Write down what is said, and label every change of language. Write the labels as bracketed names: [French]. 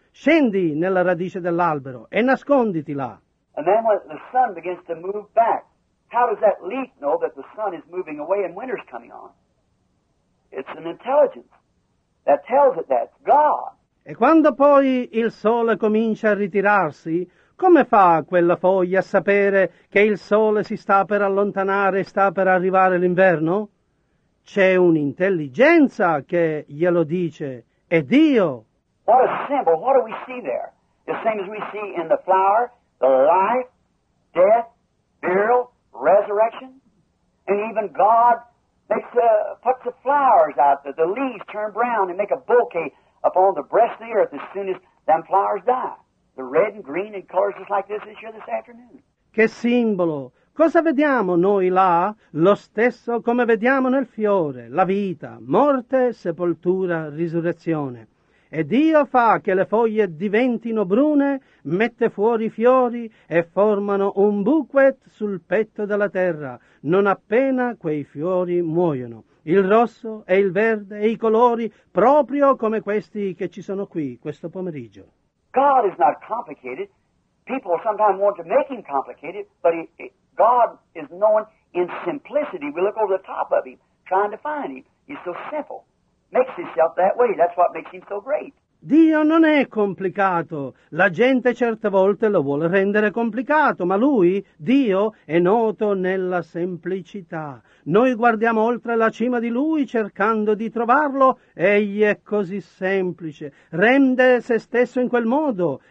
[Italian] scendi nella radice dell'albero e nasconditi là. [English] And then when the sun begins to move back, how does that leaf know that the sun is moving away and winter's coming on? It's an intelligence that tells it that's God. [Italian] E quando poi il sole comincia a ritirarsi, come fa quella foglia a sapere che il sole si sta per allontanare e sta per arrivare l'inverno? C'è un'intelligenza che glielo dice, è Dio. [English] What a symbol, what do we see there? The same as we see in the flower, the life, death, burial, resurrection, and even God makes puts the flowers out there, the leaves turn brown and make a bouquet upon the breast of the earth as soon as them flowers die. The red and green and colors just like this here this afternoon. [Italian] Che simbolo! Cosa vediamo noi là? Lo stesso come vediamo nel fiore, la vita, morte, sepoltura, risurrezione. E Dio fa che le foglie diventino brune, mette fuori fiori e formano un bouquet sul petto della terra, non appena quei fiori muoiono. Il rosso e il verde e i colori, proprio come questi che ci sono qui questo pomeriggio. [English] God is not complicated. People sometimes want to make him complicated, but God is known in simplicity. We look over the top of him, trying to find him. He's so simple. Makes himself that way. That's what makes him so great. [Italian] Dio non è complicato. La gente certe volte lo vuole rendere complicato, ma lui, Dio, è noto nella semplicità. Noi guardiamo oltre la cima di lui cercando di trovarlo. Egli è così semplice. Rende se stesso in quel modo.